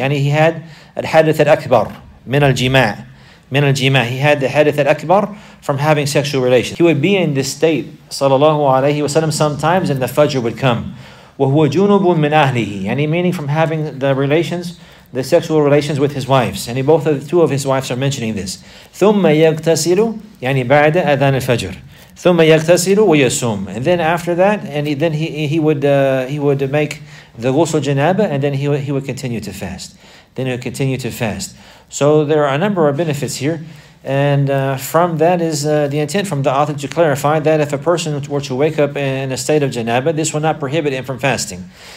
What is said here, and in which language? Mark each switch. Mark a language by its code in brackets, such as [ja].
[ar] Yani [en] he had [ar] al-hadith al-akbar min al-jima'. Min al-jima'. [en] He had the hadith al-akbar from having sexual relations. He would be in this state, sallallahu alayhi wa sallam, sometimes, and the Fajr would come. [ar] وَهُوَ جُنُوبٌ مِنْ أَهْلِهِ, [en] yani meaning from having the relations, the sexual relations with his wives. Yani both of the two of his wives are mentioning this. [ar] ثُمَّ يَغْتَسِلُ, yani بَعْدَ أَذَانِ الْفَجْرِ. ثُمَّ يَغْتَسِلُ وَيَسُومْ. [en] And then after that, and then he would make the ghusl janaba, and then he would continue to fast. Then he would continue to fast. So there are a number of benefits here. And from that is the intent from the author to clarify that if a person were to wake up in a state of janaba, this will not prohibit him from fasting.